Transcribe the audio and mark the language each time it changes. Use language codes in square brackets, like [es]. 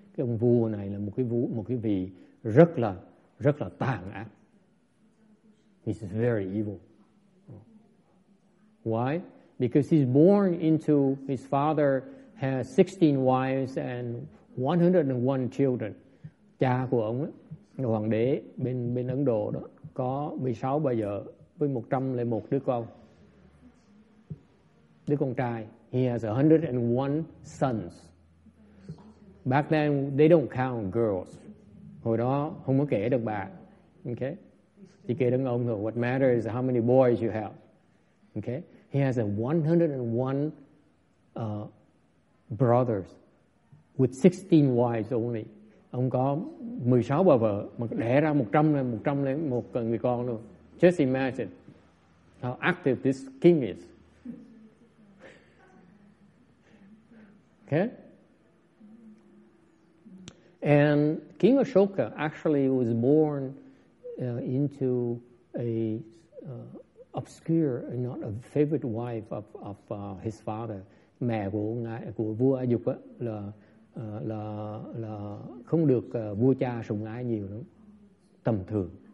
[vi] Cái ông vua này là một cái vị rất là tàn ác. [en] He's very evil. Why? Because he's born into his father has 16 wives and 101 children. [vi] Cha của ông ấy, hoàng đế bên Ấn Độ đó, có 16 bà vợ với 101 đứa con. Đứa con trai, [en] he has 101 sons. Back then, they don't count girls. [vi] Hồi đó, không có kể được bà. Okay? Chỉ kể được ông thôi. [en] What matters is how many boys you have. Okay? He has 101 brothers with 16 wives only. Ông có 16 bà vợ mà đẻ ra 101 người con luôn. Just imagine how active this king is. Okay? And King Ashoka actually was born into a obscure, not a favorite wife of his father. [vi] Mẹ của vua Ajuk là không được vua cha sủng ái nhiều lắm, tầm thường.